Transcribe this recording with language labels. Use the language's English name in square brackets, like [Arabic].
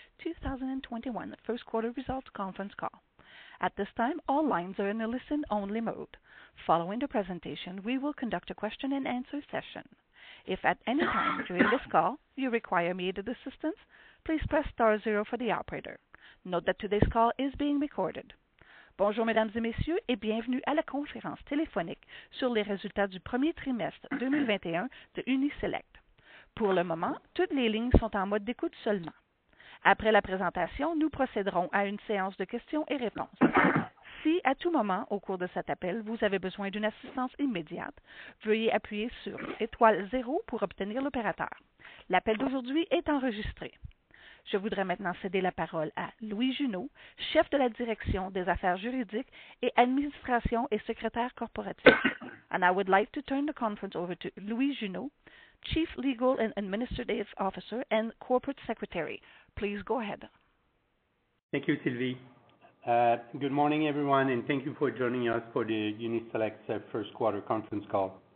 [English] 2021 First Quarter Results Conference Call. At this time, all lines are in a listen-only mode. Following the presentation, we will conduct a question-and-answer session. If at any time during this call you require immediate assistance, please press star zero for the operator. Note that today's call is being recorded. [French] Bonjour, mesdames et messieurs, et bienvenue à la conférence téléphonique sur les résultats du premier trimestre 2021 de Uni-Select. Pour le moment, toutes les lignes sont en mode d'écoute seulement. Après la présentation, nous procéderons à une séance de questions et réponses. Si, à tout moment, au cours de cet appel, vous avez besoin d'une assistance immédiate, veuillez appuyer sur étoile 0 pour obtenir l'opérateur. L'appel d'aujourd'hui est enregistré. Je voudrais maintenant céder la parole à Louis Junot, chef de la Direction des affaires juridiques et administration et secrétaire corporatif. [English] And I would like to turn the conference over to Louis Junot, Chief Legal and Administrative Officer and Corporate Secretary. Please go ahead. Thank you, Sylvie. Good morning, everyone, and thank you for joining us for the Uni-Select first quarter conference call.